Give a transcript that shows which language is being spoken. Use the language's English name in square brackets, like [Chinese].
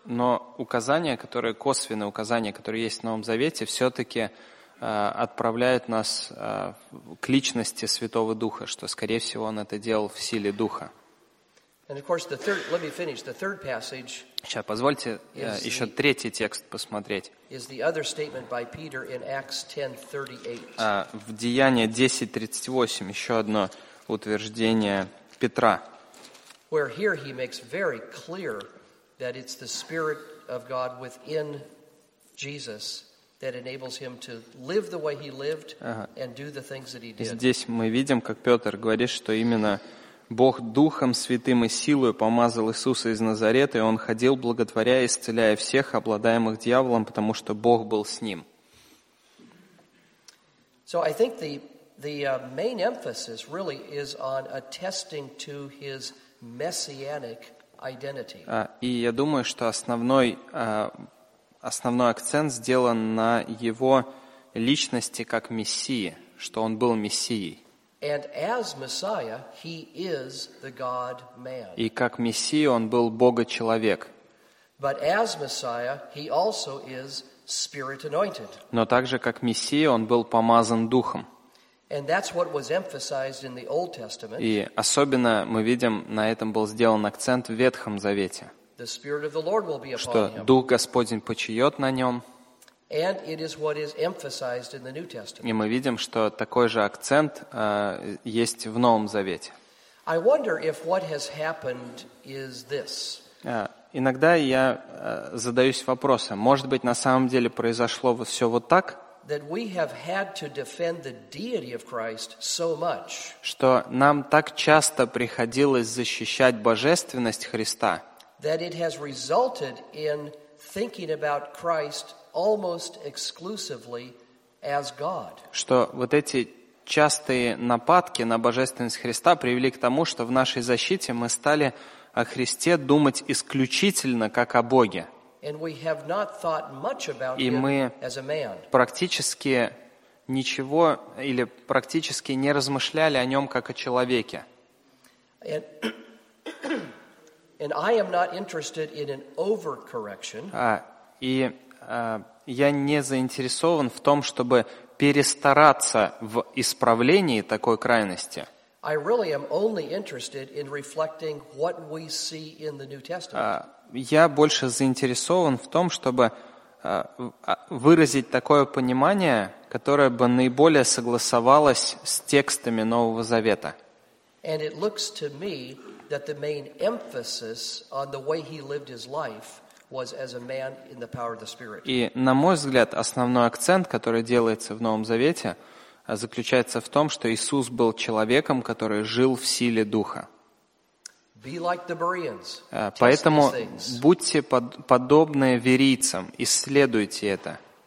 [Russian] Но указания, которые косвенные указания, которые есть в Новом Завете, все-таки отправляют нас к личности Святого Духа, что, скорее всего, Он это делал в силе Духа. [English] And of course, let me finish. The third passage. [Russian] Сейчас позвольте еще третий текст посмотреть. [English] Is the other statement by Peter in Acts 10:38? [Russian] В Деяния 10:38 еще одно утверждение Петра. [English] Where here he makes very clear that it's the Spirit of God within Jesus that enables him to live the way he lived and do the things that he did. [Russian] Здесь мы видим, как Петр говорит, что именно Бог Духом Святым и силою помазал Иисуса из Назарета, и Он ходил, благотворя и исцеляя всех, обладаемых дьяволом, потому что Бог был с Ним. [English] So I think the main emphasis really is on attesting to His messianic identity. [Russian] И я думаю, что основной акцент сделан на Его личности как Мессии, что Он был Мессией. [English] And as Messiah, he is the God-man. [Russian] И как Мессия Он был Бога-человек. [English] But as Messiah, he also is Spirit-anointed. [Russian] Но также как Мессия Он был помазан Духом. [English] And that's what was emphasized in the Old Testament. [Russian] И особенно мы видим, на этом был сделан акцент в Ветхом Завете. [English] The Spirit of the Lord will be upon him. [Russian] Что Дух Господень почиет на нем. [English] And it is what is emphasized in the New Testament. [Russian] И мы видим, что такой же акцент есть в Новом Завете. [English] I wonder if what has happened is this. [Russian] Иногда я задаюсь вопросом, может быть, на самом деле произошло все вот так? [English] That we have had to defend the deity of Christ so much. [Russian] Что нам так часто приходилось защищать божественность Христа. [English] That it has resulted in thinking about Christ almost exclusively as God. [Russian] Что вот эти частые нападки на божественность Христа привели к тому, что в нашей защите мы стали о Христе думать исключительно как о Боге. [English] And we have not thought much about him as a man. [Russian] И мы практически ничего или практически не размышляли о нем как о человеке. [English] And I am not interested in an overcorrection. [Russian] Я не заинтересован в том, чтобы перестараться в исправлении такой крайности. [English] I really am only interested in reflecting what we see in the New Testament. [Russian] Я больше заинтересован в том, чтобы выразить такое понимание, которое бы наиболее согласовалось с текстами Нового Завета. [English] And it looks to me that the main emphasis on the way he lived his life was as a man in the power of the Spirit. [Russian] И на мой взгляд, основной акцент, который делается в Новом Завете, заключается в том, что Иисус был человеком, который жил в силе Духа. [English] Be like the Bereans. [Russian] Поэтому будьте подобны верийцам, исследуйте это.